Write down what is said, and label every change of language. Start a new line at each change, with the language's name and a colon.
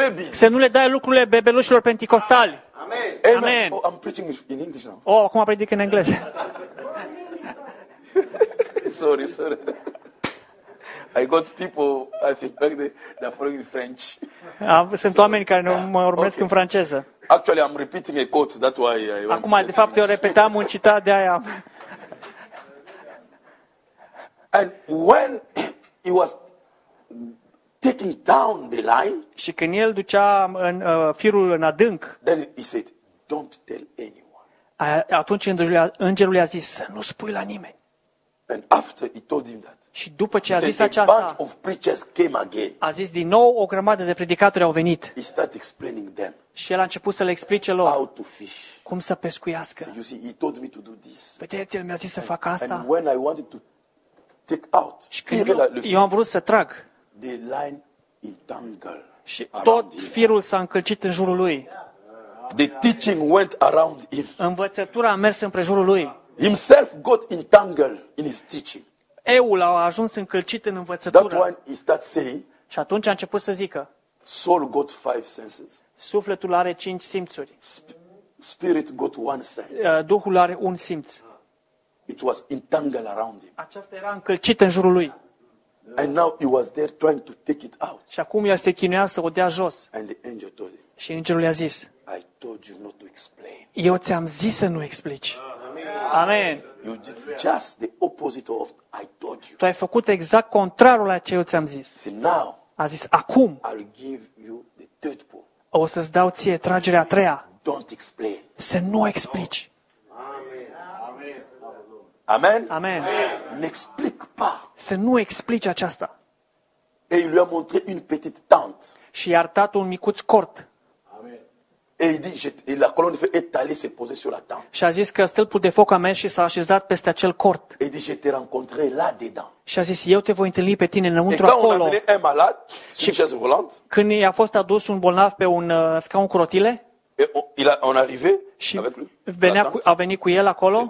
Romanian: Să nu le dai lucrurile bebelușilor penticostali. Amen. Amen.
English: Oh, I'm preaching in English now.
Romanian: Oh, acum predic în engleză.
English: Sorry. I got people, I think, back there, they're following in French.
Romanian: Sunt oameni care mă urmăresc în franceză.
English: Actually, I'm repeating a quote, that's why I want to say.
Romanian: Acum, de fapt, eu repetam un citat de aia.
English: And when he was taking down the line,
Romanian: și când el ducea în firul în adânc,
English: then he said, don't tell anyone.
Romanian: Atunci îngerul i-a zis, să nu spui la nimeni.
English: And after he told him that.
Romanian: Și după ce a zis aceasta,
English: a bunch of preachers came again.
Romanian: A zis din nou o grămadă de predicatori au venit.
English: He started explaining them.
Romanian: Și el a început să le explice lor
English: how to fish.
Romanian: Cum să pescuiască.
English: So you see, he told me to do this.
Romanian: Vedeți, el mi-a zis să fac asta.
English: And when I wanted to take out.
Romanian: Și când eu am vrut să trag.
English: The line entangled.
Romanian: Și tot firul s-a încălcit în jurul lui.
English: The teaching went around him.
Romanian: Învățătura a mers împrejurul lui.
English: Himself got entangled in his teaching.
Romanian: Eul a ajuns încălcit în învățătură.
English: That one he started saying.
Romanian: Și atunci a început să zică.
English: Soul got five senses.
Romanian: Sufletul are cinci simțuri.
English: Spirit got one sense.
Romanian: Duhul are un simț.
English: It was entangled around him.
Romanian: Aceasta era încălcit în jurul lui.
English: And now he was there trying to take it out.
Romanian: Și acum el se chinuia să o dea jos.
English: And the angel told him.
Romanian: Și îngerul i-a zis.
English: I told you not to explain.
Romanian: Eu ți-am zis să nu explici. Amen.
English: You did just the opposite of I told you.
Romanian: Tu ai făcut exact contrarul la ce eu ți-am zis.
English: See, now,
Romanian: a zis acum.
English: I'll give you the third pull.
Romanian: O să-ți dau ție tragerea a treia.
English: Don't explain.
Romanian: Să nu explici. Amen. Amen. Amen.
French: Amen. N'explic pas.
Romanian: Să nu explici aceasta.
French: Et il lui a montré une petite tente.
Romanian: Și i-a arătat un micuț cort.
French: Et il dit, et la colonne de feu est allée se poser sur la tente.
Romanian: Și a zis că stâlpul de foc a mers și s-a așezat peste acel cort.
French: Et il dit, je te rencontrerai là dedans.
Romanian: Și a zis, eu te voi întâlni pe tine înăuntru acolo.
French: Et quand on a venu un malade, volant,
Romanian: când i-a fost adus un bolnav pe un scaun cu rotile,
French: on arrivait avec lui.
Romanian: Venea cu, a venit cu el acolo.